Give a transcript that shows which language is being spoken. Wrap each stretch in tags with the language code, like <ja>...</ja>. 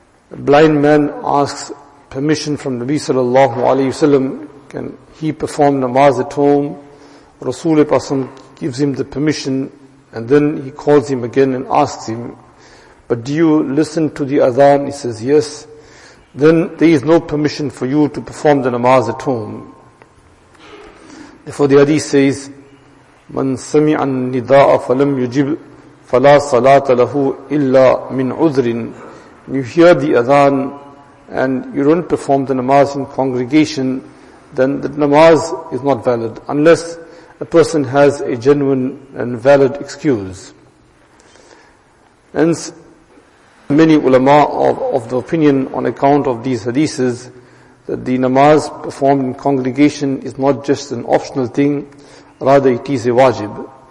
<en>A blind man asks permission from Nabi sallallahu alayhi wa sallam, can he perform namaz at home? Rasulullah gives him the permission and then he calls him again and asks him, but do you listen to the adhan? He says, yes. Then there is no permission for you to perform the namaz at home. Therefore the hadith says,</en> <ar>مَنْ سَمِعَ النِّدَاءَ فَلَمْ يُجِبْ فَلَا صَلَاةَ لَهُ إِلَّا مِنْ عُذْرٍ.</ar> <en>You hear the adhan and you don't perform the namaz in congregation, then the namaz is not valid unless a person has a genuine and valid excuse. Hence, many ulama of the opinion on account of these hadiths that the namaz performed in congregation is not just an optional thing, rather it is a wajib.</en>